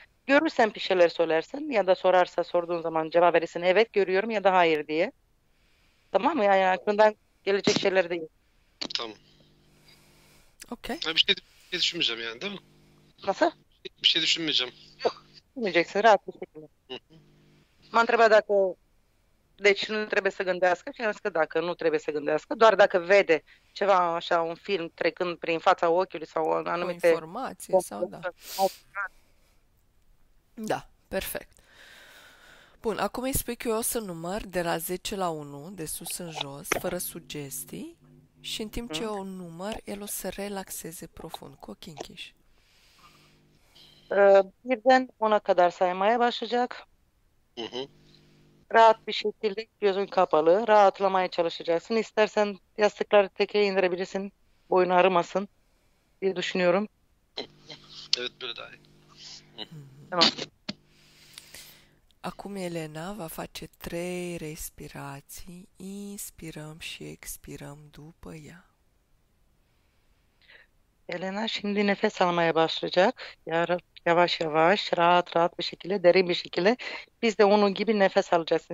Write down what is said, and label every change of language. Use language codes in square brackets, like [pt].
[tr] Görürsen bir şeyler söylersin ya da sorarsa sorduğun zaman cevap verirsin. Evet görüyorum ya da hayır diye. Tamam mı? Yani aklından gelecek şeyler değil. Tamam. [en] Okay. [tr] Ha, bir şey Bir şey düşünmeyeceğim yani, değil mi? Nasıl? Bir şey düşünmeyeceğim. Bilmeyeceksin, rahat bir şekilde. [ro] M-a întrebat dacă... Deci nu trebuie să gândească și am zis că dacă nu trebuie să gândească, doar dacă vede ceva așa, un film trecând prin fața ochiului sau în O anumite... informație sau da. Da, perfect. Bun, acum îi spui că eu o să număr de la 10 la 1, de sus în jos, fără sugestii, și în timp ce eu număr, el o să relaxeze profund, cu ochii închiși. [tr] Birden ona kadar saymaya başlayacak. Rahat bir şekilde gözün kapalı rahatlamaya çalışacaksın. İstersen yastıkları tekeye indirebilirsin. Boyun ağrımasın diye düşünüyorum. Evet, böyle daha iyi. Tamam. [ro] Acum Elena va face trei respirații. Inspirăm și expirăm după ea. [tr] Elena şimdi nefes almaya başlayacak. Yavaş yavaş, rahat rahat bir şekilde, derin bir şekilde. Biz de onun gibi nefes alacaksın.